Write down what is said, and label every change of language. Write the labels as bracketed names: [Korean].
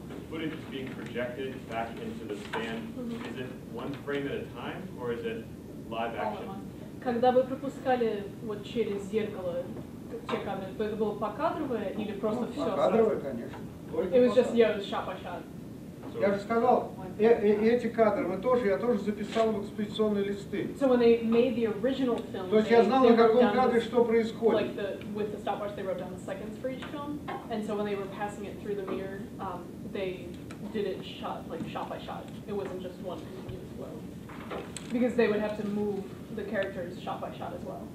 [English] Footage is being projected back into the stand. Mm-hmm. Is it one frame at a time, or is it live action? [Russian] Когда вы пропускали вот через зеркало те кадры, то это было покадровое или просто все? Покадровое, конечно. [English] It was just shot by shot. [Russian] Я же сказал, эти кадры мы тоже, я тоже записал в экспедиционные листы. [English] So when they made the original film, [Russian] то есть я знал, на каком кадре что происходит. [English] Like the, with the stopwatch, they wrote down the seconds for each film. And so when they were passing it through the mirror, they did it shot by shot. It wasn't just one continuous flow. Because they would have to move the characters shot by shot as well.